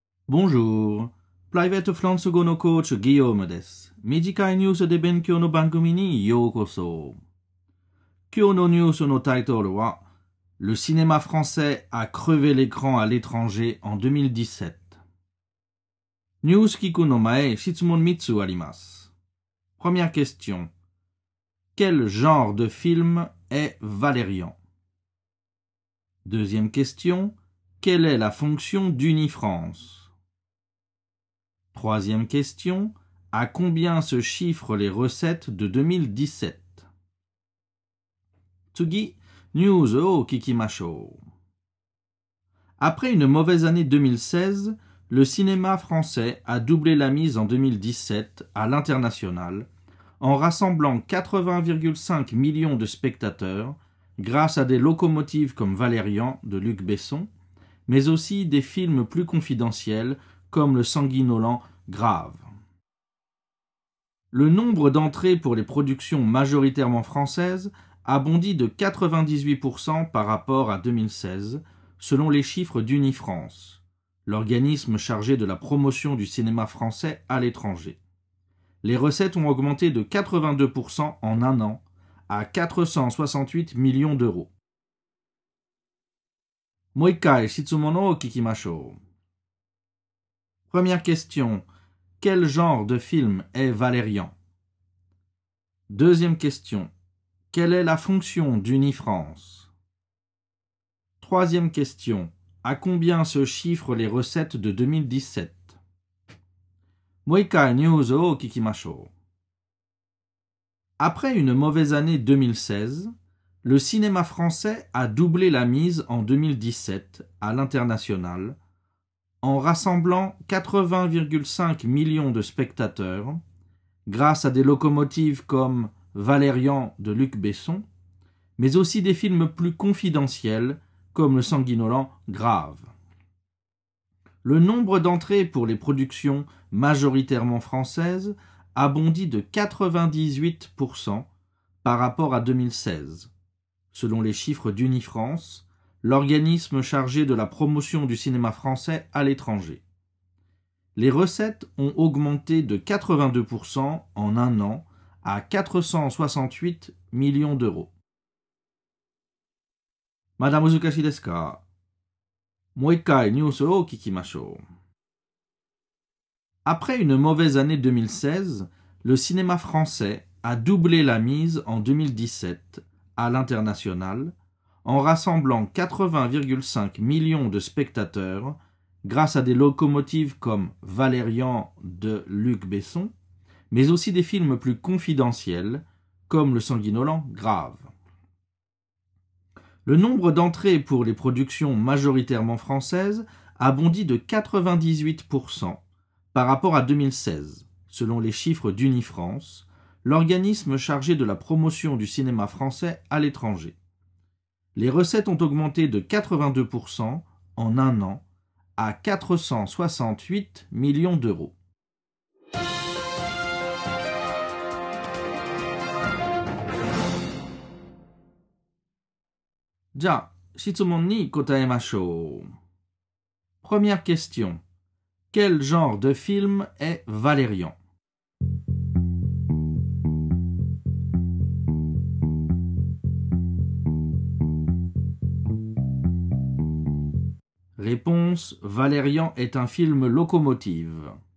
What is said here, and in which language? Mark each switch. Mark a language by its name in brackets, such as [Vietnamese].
[French] Bonjour. [Japanese] プライベートフランス語のコーチ、ギヨームです。短いニュースで勉強の番組にようこそ。今日のニュースのタイトルは、 [French] Le cinéma français a crevé l'écran à l'étranger en 2017. [Japanese] ニュース聞くの前、質問3つあります。 [French] Première question. Quel genre de film est Valérian? Deuxième question. Quelle est la fonction d'Unifrance? Troisième question, à combien se chiffrent les recettes de 2017? [Japanese] 次、ニュースを聞きましょう。 [French] Après une mauvaise année 2016, le cinéma français a doublé la mise en 2017 à l'international en rassemblant 80,5 millions de spectateurs grâce à des locomotives comme Valérian de Luc Besson, mais aussi des films plus confidentiels comme le sanguinolentGrave. Le nombre d'entrées pour les productions majoritairement françaises a bondi de 98% par rapport à 2016, selon les chiffres d'Unifrance, l'organisme chargé de la promotion du cinéma français à l'étranger. Les recettes ont augmenté de 82% en un an, à 468 millions d'euros. [Japanese] もう一回質問を聞きましょう。 [French] Première question. Quel genre de film est Valérian? Deuxième question. Quelle est la fonction d'Unifrance? Troisième question. À combien se chiffrent les recettes de 2017? [Japanese] もう一回ニュースを聞きましょう。 [French] Après une mauvaise année 2016, le cinéma français a doublé la mise en 2017 à l'international. En rassemblant 80,5 millions de spectateurs, grâce à des locomotives comme Valérian de Luc Besson, mais aussi des films plus confidentiels comme le sanguinolent Grave. Le nombre d'entrées pour les productions majoritairement françaises a bondi de 98% par rapport à 2016, selon les chiffres d'Unifrance. L'organisme chargé de la promotion du cinéma français à l'étranger. Les recettes ont augmenté de 82% en un an à 468 millions d'euros. [Japanese] Madame Uzukashi Deska, もう一回ニュースを聞きましょう。 [French] Après une mauvaise année 2016, le cinéma français a doublé la mise en 2017 à l'international. En rassemblant 80,5 millions de spectateurs grâce à des locomotives comme Valérian de Luc Besson, mais aussi des films plus confidentiels comme Le sanguinolent Grave. Le nombre d'entrées pour les productions majoritairement françaises a bondi de 98% par rapport à 2016, selon les chiffres d'Unifrance, l'organisme chargé de la promotion du cinéma français à l'étranger. Les recettes ont augmenté de 82% en un an à 468 millions d'euros. [Japanese] Ja, 質問に答えましょう。 [French] Première question. Quel genre de film est Valérian? Réponse, Valérian est un film locomotive.